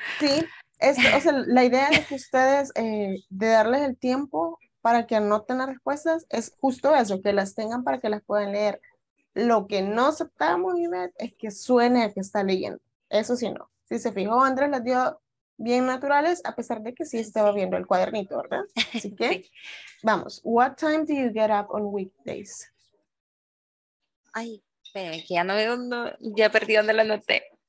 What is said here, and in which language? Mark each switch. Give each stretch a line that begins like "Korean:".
Spanish: Sí, la idea de que ustedes, de darles el tiempo para que anoten las respuestas, es justo eso, que las tengan para que las puedan leer. Lo que no aceptamos, Yvette, es que suene a que está leyendo. Eso sí no. Si se fijó, Andrés las dio bien naturales, a pesar de que sí estaba viendo el cuadernito, ¿verdad? Así que, vamos.
English: What time do you get up on weekdays?
Spanish: Ay, espera, que ya no veo, no, ya perdí donde la anoté.